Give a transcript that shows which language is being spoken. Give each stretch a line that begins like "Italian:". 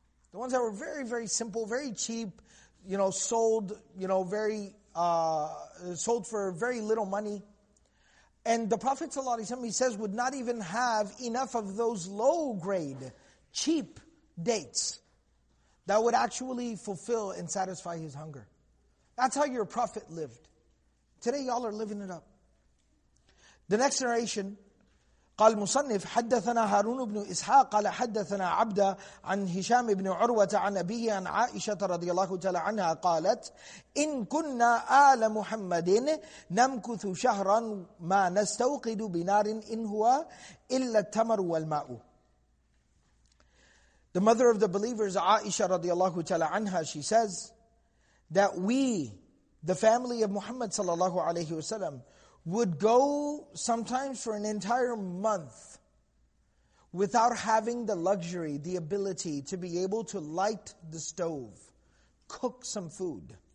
English: The ones that were very, very simple, very cheap, you know, sold, you know, very sold for very little money. And the Prophet ﷺ, he says, would not even have enough of those low-grade, cheap dates that would actually fulfill and satisfy his hunger. That's how your Prophet lived. Today y'all are living it up. The next narration,
Arabic: قال مصنف حدثنا هارون بن إسحاق قال حدثنا عبدة عن هشام بن عروة عن أبيه عن عائشة رضي الله تعالى عنها قالت إن كنا آل محمد نمكث شهرا ما نستوقد بنار إن هو إلا التمر والماء.
English: The mother of the believers, Aisha رضي الله تعالى عنها, she says that we, the family of Muhammad صلى الله عليه وسلم, would go sometimes for an entire month without having the luxury, the ability to be able to light the stove, cook some food.